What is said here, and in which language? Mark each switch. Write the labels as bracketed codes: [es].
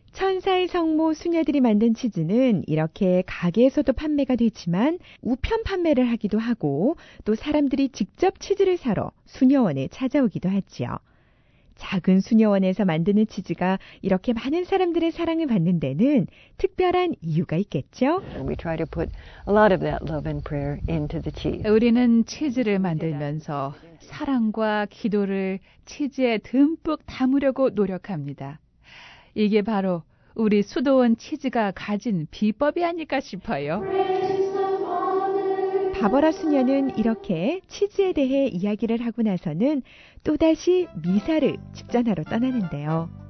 [ko] 천사의 성모 수녀들이 만든 치즈는 이렇게 가게에서도 판매가 되지만 우편 판매를 하기도 하고 또 사람들이 직접 치즈를 사러 수녀원에 찾아오기도 하지요. 작은 수녀원에서 만드는 치즈가 이렇게 많은 사람들의 사랑을 받는 데는 특별한 이유가 있겠죠? [en] We try to put a lot of that love and prayer into the cheese. [ko] 우리는 치즈를 만들면서 사랑과 기도를 치즈에 듬뿍 담으려고 노력합니다. 이게 바로 우리 수도원 치즈가 가진 비법이 아닐까 싶어요. 바버라 수녀는 이렇게 치즈에 대해 이야기를 하고 나서는 또다시 미사를 집전하러 떠나는데요.